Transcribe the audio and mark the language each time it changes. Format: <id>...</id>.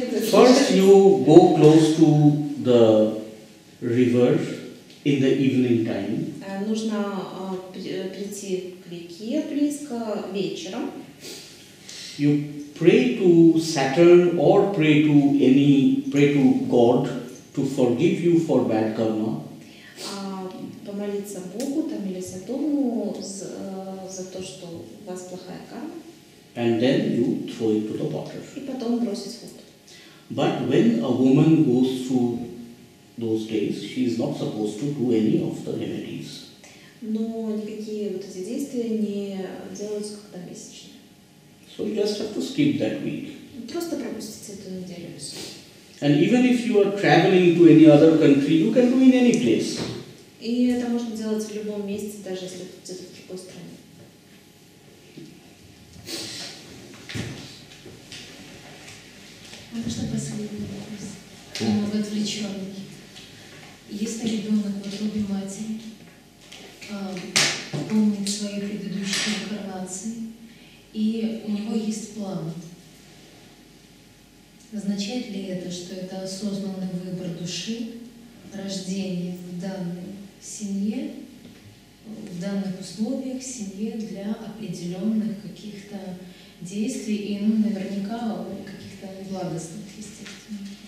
<en>First you go close to the river in the evening time.</en> <ru>Нужно прийти к реке близко вечером.</ru> <en>You pray to Saturn or pray to God to forgive you for bad karma.</en> <ru>Помолиться Богу там или Сатурну за то, что у вас плохая карма.</ru> <en>And then you throw it to the water.</en> <ru>И потом бросить в воду.</ru> <en>But when a woman goes through those days, she is not supposed to do any of the remedies.</en> <ru>Но никакие вот эти действия не делаются когда месячные.</ru> <en>So you just have to skip that week.</en> <ru>Просто пропустите эту неделю.</ru> <en>And even if you are traveling to any other country, you can do in any place.</en> <ru>И это можно делать в любом месте, даже если где-то в другой стране. Можно последний вопрос? Немного отвлеченный. Если ребенок в утробе матери помнит свои предыдущие инкарнации, и у него есть план, означает ли это, что это осознанный выбор души, рождение в данной семье, в данных условиях, в семье для определенных каких-то действий и, ну, наверняка каких-то благостных, естественно.</ru>